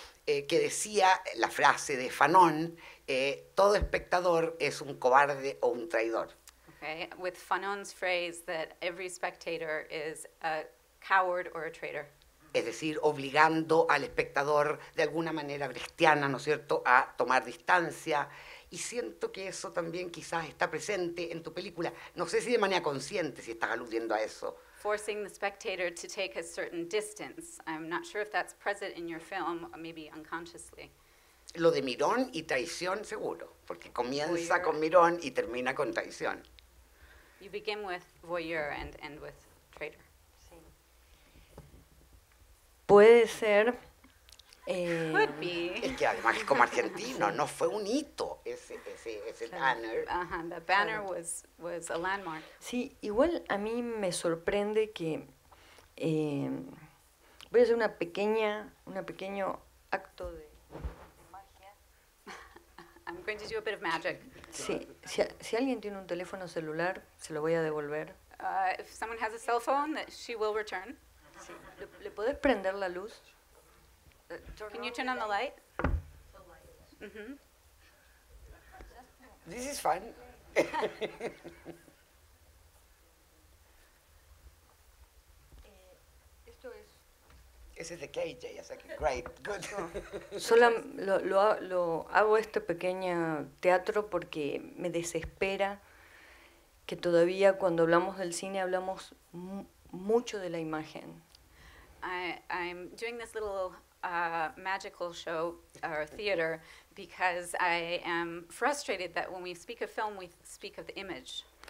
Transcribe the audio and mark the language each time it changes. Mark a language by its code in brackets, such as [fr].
[es] Que decía la frase de Fanon, todo espectador es un cobarde o un traidor. [en] Okay, with Fanon's phrase that every spectator is a coward or a traitor. [es] Es decir, obligando al espectador de alguna manera cristiana, ¿no es cierto?, a tomar distancia. Y siento que eso también quizás está presente en tu película. No sé si de manera consciente si estás aludiendo a eso. [en] Forcing the spectator to take a certain distance. I'm not sure if that's present in your film, maybe unconsciously. [es] Lo de Mirón y traición, seguro, porque comienza con Mirón y termina con traición. [en] You begin with voyeur and end with traitor. [es] Puede ser. [en] Could be. [es] Es que además es como argentino, no fue un hito ese banner. [en] The banner was a landmark. [es] Sí, igual a mí me sorprende que voy a hacer un pequeño acto de magia. [en] I'm going to do a bit of magic. [es] Sí, si alguien tiene un teléfono celular, se lo voy a devolver. [en] If someone has a cell phone, that she will return. [es] Sí. ¿Le puedes prender la luz? [en] Can you turn on the light? Mm-hmm. This is fun. [es] Esto es. Ese es de KJ, ya sé que [en] great, good. [es] Solo lo hago este pequeño teatro porque me desespera que todavía cuando hablamos del cine hablamos mucho de la imagen. [en] I'm doing this little magical show or theater because I am frustrated that when we speak of film, we speak of the image.